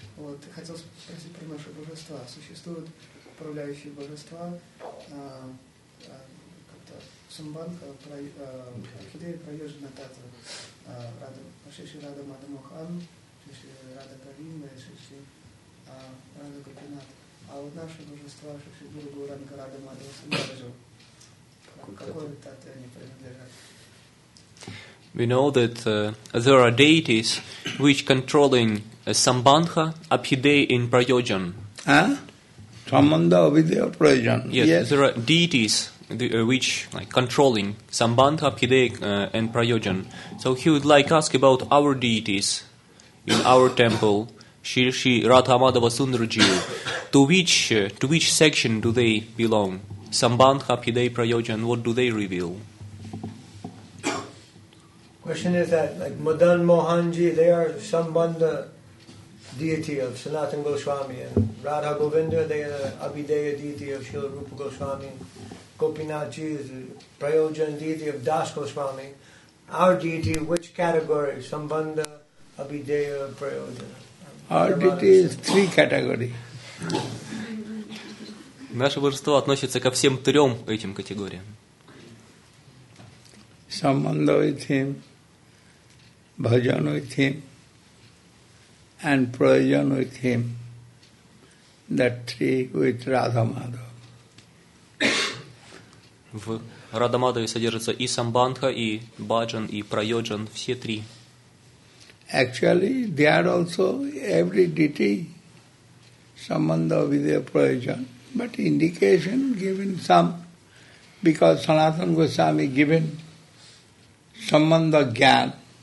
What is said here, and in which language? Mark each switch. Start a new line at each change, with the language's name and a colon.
Russian: Вот, хотел спросить про наши божества. Существуют управляющие божества, как-то Сумбанка, Архидея, Прайожина, Татра, Шиши Рада Мадамохан, Шиши Рада Калинда, Шиши Рада Капинат. А вот наши божества, Шиши Гуру Ранга Рада Мадамохан, какой Татра они принадлежат?
English: We know that there are deities which controlling Sambandha, Abhidei, and Prayojan. Sambandha, Abhidei, and Prayojan. Yes, there are deities the, which like controlling Sambandha, Abhidei, and Prayojan. So he would like ask about our deities in our temple, Shri Radha Madhava Sundarji. To which section do they belong? Sambandha, Abhidei, Prayojan, what do they reveal? Question is that, like Madan Mohanji, they are Sambandha deity of Sanatan Goswami, and Radha Govinda, they are Abhideya deity of Srila Rupa Goswami, Gopinathji is Prayojan deity of Das Goswami. Our deity, which category? Sambandha, Abhideya, Prayojan? Our deity is three categories.
Russian: Наше божество относится ко всем трем этим категориям.
English: Sambandha with him, bhajan with him, and prayojan with him, that three with Radha Madhava.
Russian: В Radha Madhava содержится и Sambandha, и bhajan, и prayojan, все три.
English: Actually, they are also every deity, Sambandha, Vidya, prayojan, but indication given some, because Sanatana Goswami given Sambandha Gyan.